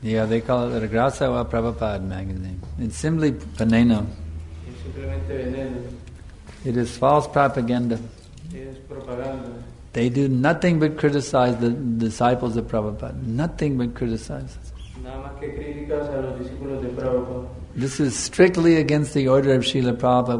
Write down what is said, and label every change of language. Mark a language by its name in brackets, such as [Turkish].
[English] Yeah, they call it Regreso a Prabhupada magazine. It's simply veneno. [Spanish] Es simplemente veneno. [English] It is false propaganda. [Spanish] Es propaganda. [English] They do nothing but criticize the disciples of Prabhupada. Nothing but criticize. [Spanish] Nada más que críticas a los discípulos de Prabhupada. [English] This is strictly against the order of Srila Prabhupada.